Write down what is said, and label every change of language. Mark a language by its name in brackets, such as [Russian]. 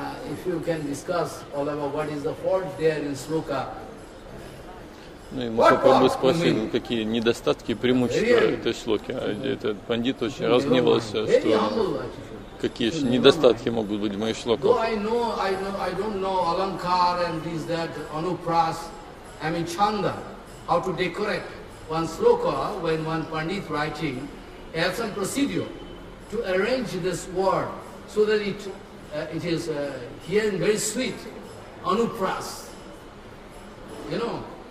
[English] If you can discuss all about what is the fault there in sloka. [Russian] Ну, ему попробую спросить, какие недостатки и преимущества этой шлоки. Этот пандит очень разгневался, что какие же недостатки могут быть в моих шлоках. [English] I don't know alankar and this that anupras, I mean chanda, how to decorate one sloka when one pandit writing, he has some procedure to arrange this word so that it is here and very sweet, anupras, you know.